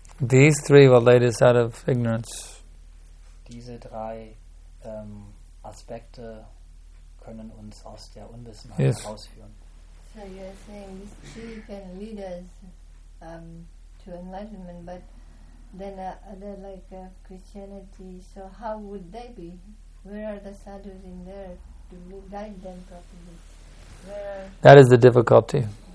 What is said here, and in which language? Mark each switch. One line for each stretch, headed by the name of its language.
English: These three will lead us out of ignorance.
German: Diese drei Aspekte können uns aus der Unwissenheit herausführen.
English: So you're saying these three can lead us to enlightenment, but then are there like Christianity? So how would they be? Where are the sadhus in there to guide them properly? That is the difficulty.